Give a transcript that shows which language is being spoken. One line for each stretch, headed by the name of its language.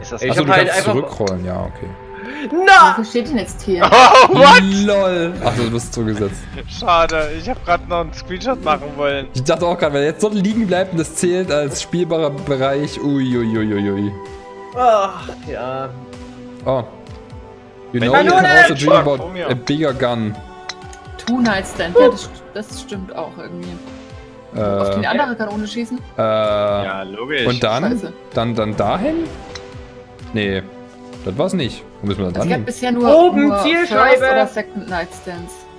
German: Ist das also, du halt kannst zurückrollen, ja, okay. Na! No! Wo steht denn jetzt hier?
English: Oh, what?
German: Lol. Ach, du bist zugesetzt. Schade, ich habe gerade noch einen Screenshot machen wollen. Ich dachte auch gerade, wenn er jetzt dort liegen bleibt und das zählt als spielbarer Bereich, uiuiuiuiui. Ach, ja. Oh.
English: You know, you can also dream about a bigger gun.
German: Two night stand, ja, das stimmt auch irgendwie. Auf die andere Kanone schießen? Ja, logisch. Und dann? Scheiße. Dann dahin? Nee, das war's nicht. Wo müssen wir dann hin? Ich hab bisher nur oben Zielscheibe oder Second Night Stands.